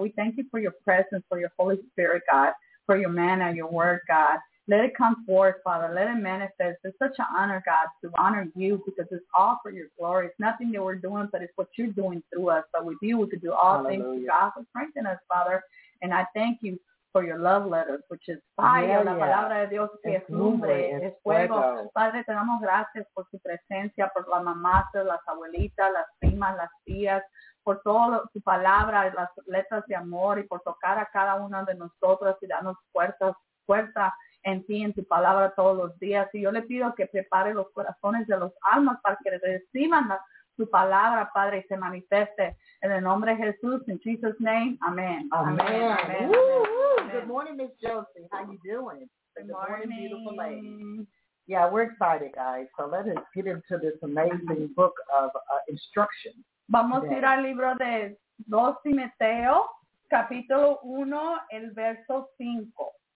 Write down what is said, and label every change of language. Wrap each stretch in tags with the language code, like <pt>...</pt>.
<en>We thank you for your presence, for your Holy Spirit, God, for your manna, your word, God. Let it come forth, Father. Let it manifest. It's such an honor, God, to honor you because it's all for your glory. It's nothing that we're doing, but it's what you're doing through us. But with you, we could do all Hallelujah. Things. God, for strengthen us, Father. And I thank you for your love letters, which is fire. Yeah,</en> <es>la palabra de Dios que es lumbre, es fuego. Padre, te damos gracias por su presencia, por la mamá, las abuelitas, las primas, las tías, por toda su palabra, las letras de amor y por tocar a cada una de nosotras y darnos fuerza en ti, en tu palabra todos los días. Y yo le pido que prepare los corazones de los almas para que reciban tu palabra, Padre, y se manifieste en el nombre de Jesús,</es> <en>in Jesus' name,</en> <es>amén. Amén. Amén. Amén. Amén. Amén. Amén.</es> <en>Good morning, Miss Josie. How you doing? Good morning, beautiful lady. Yeah, we're excited, guys. So let us get into this amazing book of instruction.</en> <es>Vamos a ir al libro de 2 Timoteo, capítulo 1, el verso 5.</es>